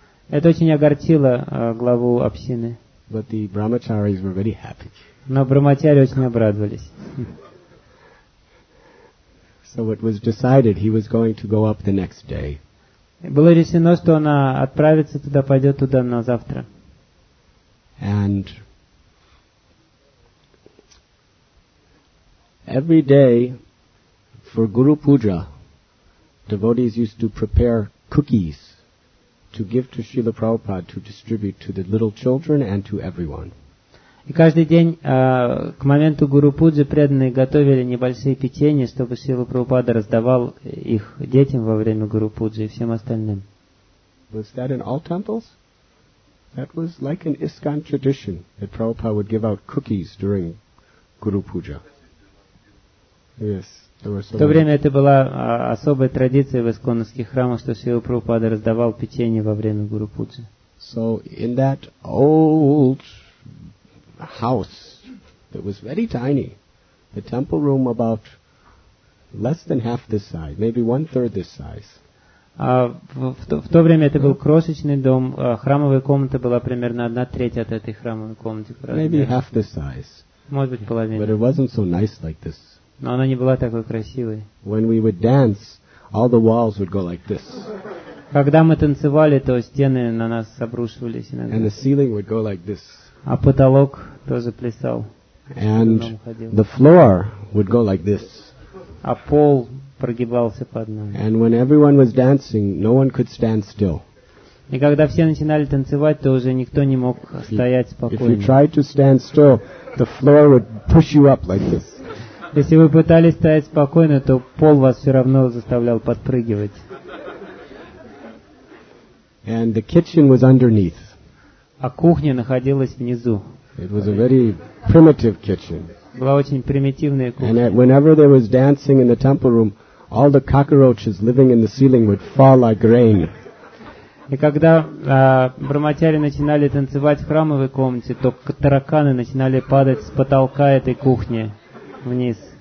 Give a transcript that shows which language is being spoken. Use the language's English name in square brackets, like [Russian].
[Russian] Это очень огорчило главу общины. [English] But the brahmacharis were very happy. [Russian] Но брахмачари очень обрадовались. [English] So it was decided he was going to go up the next day. [Russian] Было решено, что она отправится туда, пойдет туда на завтра. [English] And every day for Guru Puja, devotees used to prepare cookies to give to Srila Prabhupada to distribute to the little children and to everyone. [Russian] И каждый день к моменту Гуру Пуджи преданные готовили небольшие печенья, чтобы Шрила Прабхупада раздавал их детям во время Гуру Пуджи и всем остальным. [English] Was that in all temples? That was like an ISKCON tradition that Prabhupada would give out cookies during Guru Puja. Yes, there were so. [Russian] В то время это была особая традиция в исконских храмах, что Шрила Прабхупада раздавал печенье во время Гуру Пуджи. [English] So in that old house that was very tiny, the temple room about less than half this size, maybe 1/3 this size. [Russian] В то время это был крошечный дом, храмовая комната была примерно 1/3 от этой храмовой комнаты. [English] Maybe half this size. [Russian] Может быть половина. [English] But it wasn't so nice like this. [Russian] Но она не была такой красивой. [English] When we would dance, all the walls would go like this. [Russian] Когда мы танцевали, то стены на нас обрушивались иногда. [English] And the ceiling would go like this. [Russian] А потолок тоже плясал. [English] And the floor would go like this. [Russian] А пол прогибался под нами. [English] And when everyone was dancing, no one could stand still. [Russian] И когда все начинали танцевать, то уже никто не мог стоять спокойно. [English] If you tried to stand still, the floor would push you up like this. [Russian] Если вы пытались стоять спокойно, то пол вас все равно заставлял подпрыгивать. [English] And the kitchen was underneath. [Russian] А кухня находилась внизу. [English] It was a very primitive kitchen. [Russian] Была очень примитивная кухня. [English] And whenever there was dancing in the temple room, all the cockroaches living in the ceiling would fall like rain. [Russian] И когда брахмачари начинали танцевать в храмовой комнате, то тараканы начинали падать с потолка этой кухни вниз.